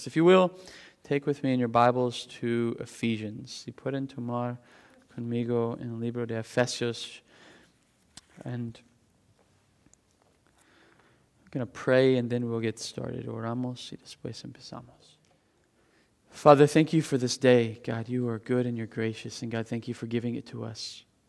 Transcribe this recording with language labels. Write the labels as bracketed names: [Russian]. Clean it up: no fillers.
[English] If you will, take with me in your Bibles to Ephesians. [Spanish] Si pueden tomar conmigo en el libro de Efesios. [English] And I'm going to pray and then we'll get started. [Spanish] Oramos y después empezamos. [English] Father, thank you for this day. God, you are good and you're gracious. And God, thank you for giving it to us.